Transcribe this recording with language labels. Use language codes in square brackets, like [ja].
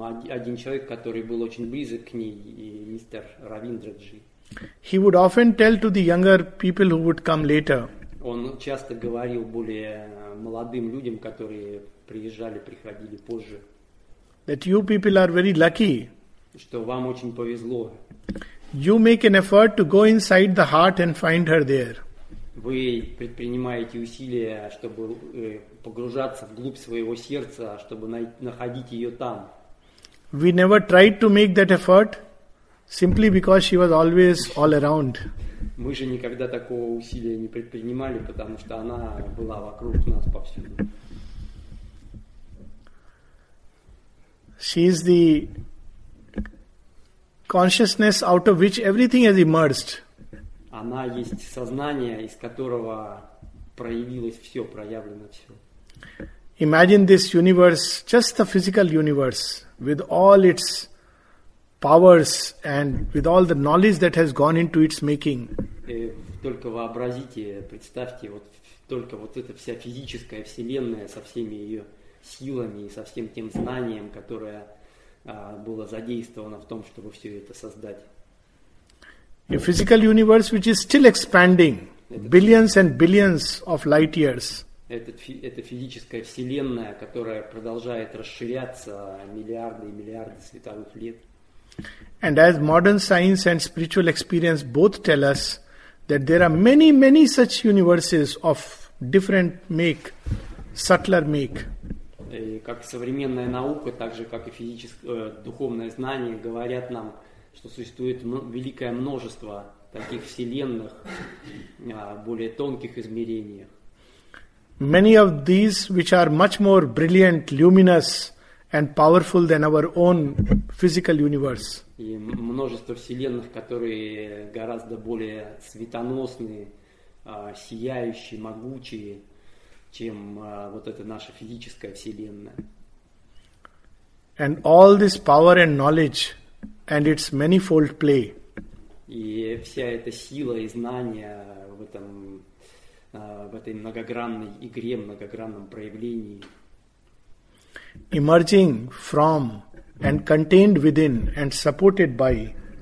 [ru] один человек, который был очень близок к ней, и мистер Равиндраджи, [en] he would often tell to the younger people who would come later. [ru] Он часто говорил более молодым людям, которые приезжали, приходили позже, [en] that you people are very lucky. [ru] Что вам очень повезло. [en] You make an effort to go inside the heart and find her there. [ru] Вы предпринимаете усилия, чтобы погружаться вглубь своего сердца, чтобы находить ее там. [en] We never tried to make that effort, Simply because she was always all around. [ru] Мы же никогда такого усилия не предпринимали, потому что она была вокруг нас повсюду. [en] She is the consciousness out of which everything has emerged. [ru] Она есть сознание, из которого проявилось все, проявлено все. [en] Imagine this universe, just the physical universe, with all its powers and with all the knowledge that has gone into its making. [ru] Только вообразите, представьте, вот только вот эта вся физическая вселенная со всеми ее силами и со всем тем знанием, которое было задействовано в том, чтобы все это создать. [en] A physical universe, which is still expanding, billions and billions of light years. [ru] Это физическая вселенная, которая продолжает расширяться миллиарды и миллиарды световых лет. [en] And as modern science and spiritual experience both tell us that there are many, many such universes of different make, subtler make. [ru] И как современная наука, так же как и физическое, духовное знание говорят нам, что существует великое множество таких вселенных, более тонких измерений. [en] Many of these, which are much more brilliant, luminous, and powerful than our own physical universe. [ru] И множество вселенных, которые гораздо более светоносные, сияющие, могучие, чем вот эта наша физическая вселенная. [en] And all this power and knowledge and its manifold play. [ru] И вся эта сила и знания в этом в этой многогранной игре, многогранном проявлении. [en] Emerging from and contained within and supported by.